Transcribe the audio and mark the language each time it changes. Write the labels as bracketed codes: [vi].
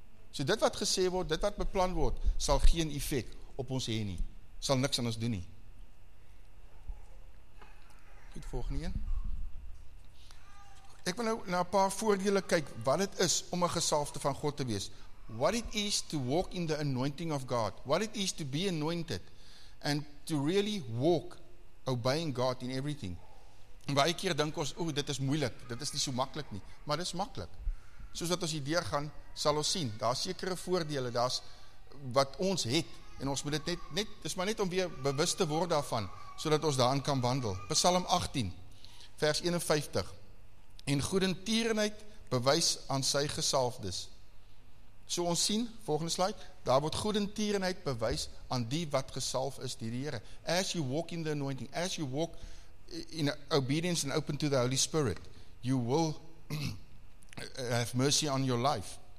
[af] So dit wat gesê word, dit wat beplan word, sal geen effect op ons heen nie. Sal niks aan ons doen nie. Goed, volgende een. Ek wil nou na 'n paar voordele kyk, wat het is om 'n gesalfde van God te wees. [en] What it is to walk in the anointing of God. What it is to be anointed. And to really walk obeying God in everything. [af] En baie keer dink ons, o, dit is moeilik, dit is nie so maklik nie, maar dit is maklik. Soos wat ons hier deurgaan, sal ons sien, daar is sekere voordele, daar is wat ons het, en ons moet dit net, dis maar net om weer bewust te word daarvan, sodat ons daarin kan wandel. Psalm 18, vers 51, en goedertierenheid bewys aan sy gesalfdes. So ons sien, volgende slide, daar word goedertierenheid bewys aan die wat gesalf is, die Here. [en] As you walk in the anointing, as you walk in obedience and open to the Holy Spirit, you will have mercy on your life.